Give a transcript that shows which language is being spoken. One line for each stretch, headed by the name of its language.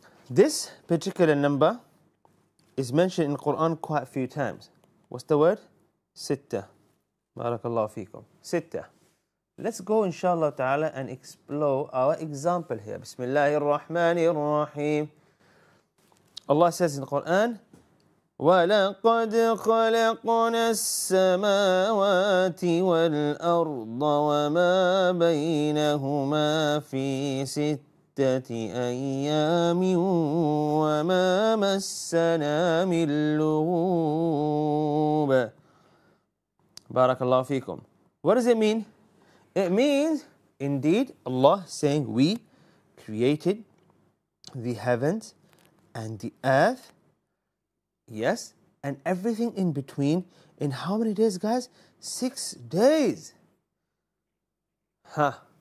English: This particular number is mentioned in Quran quite a few times. What's the word? ستة. Barakallahu feekum. ستة. Let's go, inshallah ta'ala, and explore our example here. Bismillah ar-Rahman ar-Rahim. Allah says in the Quran,
Arabic: وَلَقَدْ خَلَقْنَا السَّمَاوَاتِ وَالْأَرْضَ وَمَا بَيْنَهُمَا فِي سِتَّةِ أَيَّامٍ وَمَا مَسَّنَا مِنْ لُغُوبَ.
English: Barakallahu feekum. What does it mean? It means, indeed, Allah saying, we created the heavens and the earth, yes, and everything in between in how many days, guys? 6 days. Huh.